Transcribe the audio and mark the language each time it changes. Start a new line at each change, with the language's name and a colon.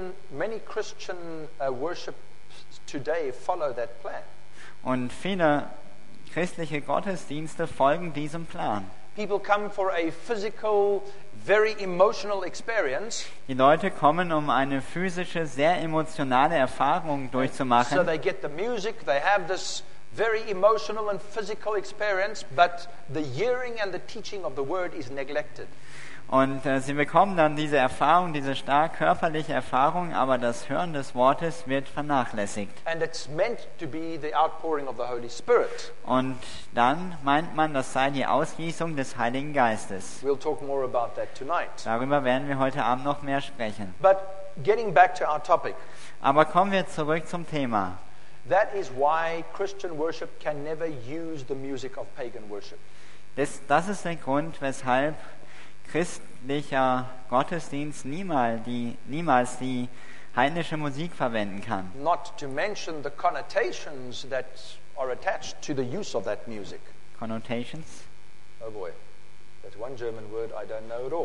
English: Many Christian worship today follow that plan.
German: Und viele christliche Gottesdienste folgen diesem Plan.
English: People come for a physical, very emotional experience.
German: Die Leute kommen, um eine physische, sehr emotionale Erfahrung durchzumachen.
English: So they get the music, they have this very emotional and physical experience, but the hearing and the teaching of the word is neglected.
German: Und sie bekommen dann diese Erfahrung, diese stark körperliche Erfahrung, aber das Hören des Wortes wird vernachlässigt.
English: And it's meant to be the outpouring of the Holy Spirit.
German: Und dann meint man, das sei die Ausgießung des Heiligen Geistes.
English: We'll talk more about that tonight.
German: Darüber werden wir heute Abend noch mehr sprechen.
English: But getting back to our topic.
German: Aber kommen wir zurück zum Thema.
English: That is why Christian worship can never use the music of pagan worship.
German: Das ist der Grund, weshalb christlicher Gottesdienst niemals die heidnische Musik verwenden kann.
English: Not to mention the connotations that are attached to the use of that music. Connotations? Oh boy, that's one German word I don't know at all.